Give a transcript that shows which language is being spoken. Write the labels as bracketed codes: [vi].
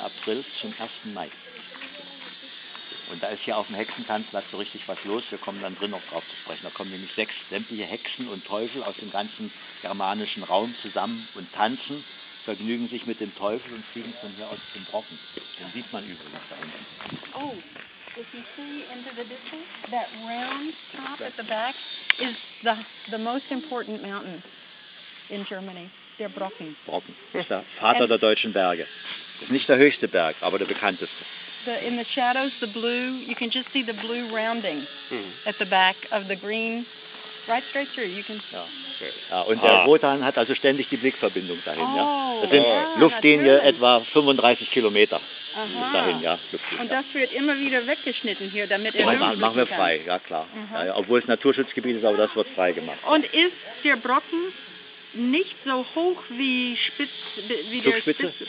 [de] April zum 1. Mai. Und da ist hier auf dem Hexentanzplatz so richtig was los. Wir kommen dann drin noch drauf zu sprechen. Da kommen nämlich 6 sämtliche Hexen und Teufel aus dem ganzen germanischen Raum zusammen und tanzen, vergnügen sich mit dem Teufel und fliegen von hier aus zum Brocken. Den sieht man übrigens da hinten. Oh. [en] If you see into the distance, that round top at the back is the most important mountain in Germany, der Brocken. [de] Brocken, ist der Vater der deutschen Berge. Ist nicht der höchste Berg, aber der bekannteste. [en] In the shadows, the blue, you can just see the blue rounding at the back of the green, right straight through. You can see. [de] Ja, und der Wotan hat also ständig die Blickverbindung dahin. Oh, ja. Das sind Luftlinie etwa 35 Kilometer. Dahin, ja, und das wird immer wieder weggeschnitten hier, damit er machen wir frei, kann. Ja klar. Ja, obwohl es Naturschutzgebiet ist, aber das wird frei gemacht. Und ist der Brocken nicht so hoch wie Zugspitze?